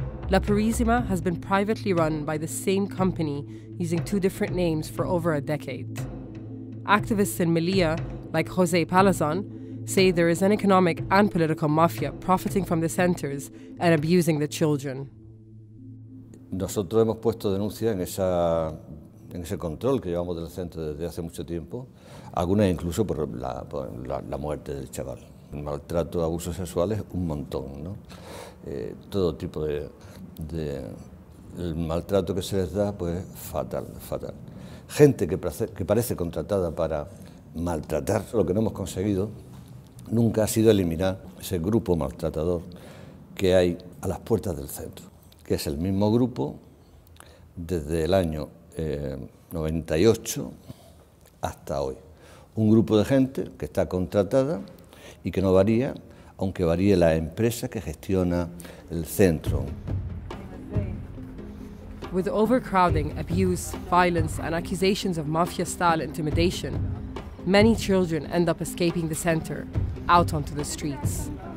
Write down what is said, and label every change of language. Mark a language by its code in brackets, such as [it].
[en] La Purisima has been privately run by the same company using two different names for over a decade. Activists in Melilla, like José Palazón, say there is an economic and political mafia profiting from the centers and abusing the children. [es] Nosotros hemos puesto denuncias en ese control que llevamos del centro desde hace mucho tiempo, algunas incluso por la muerte del chaval. Maltrato, abusos sexuales, un montón, ¿no? Todo tipo de el maltrato que se les da, pues fatal, fatal. Gente que parece contratada para maltratar, lo que no hemos conseguido nunca ha sido eliminar ese grupo maltratador que hay a las puertas del centro, que es el mismo grupo desde el año 98 hasta hoy. Un grupo de gente que está contratada y que no varía, aunque varíe la empresa que gestiona el centro. [en] With overcrowding, abuse, violence, and accusations of mafia-style intimidation, many children end up escaping the center, out onto the streets.